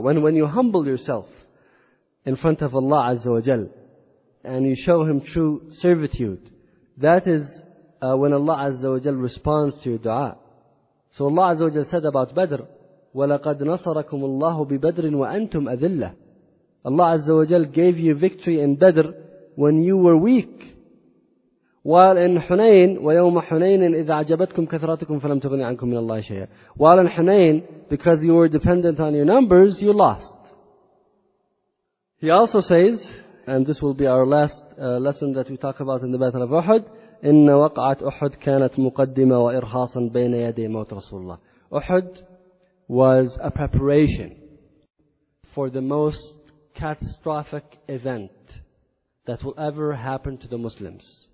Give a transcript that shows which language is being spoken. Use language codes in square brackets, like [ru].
[en] When you humble yourself in front of Allah Azza wa Jal and you show Him true servitude, that is when Allah Azza wa Jal responds to your dua. So Allah Azza wa Jal said about Badr, [ar] وَلَقَدْ نَصَرَكُمُ اللَّهُ بِبَدْرٍ وَأَنْتُمْ أَذِلَّةٍ. [en] Allah Azza wa Jal gave you victory in Badr when you were weak. While in Hunayn, [ar] وَيَوْمَ حُنَيْنٍ إِذْ عَجَبَتْكُمْ كَثْرَتُكُمْ فَلَمْ تُغْنِ عَنْكُمْ مِنَ اللَّهِ شَيْئًا. [en] While in Hunayn, because you were dependent on your numbers, you lost. He also says, and this will be our last lesson that we talk about in the Battle of Uhud, [ar] إِنَّ وَقْعَتْ أُحُدْ كَانَتْ مُقَدِّمَ وَإِرْحَاصًا بَيْنَ يَدِي مَوْتِ رَسُولِ اللَّهِ. [en] Uhud was a preparation for the most catastrophic event that will ever happen to the Muslims.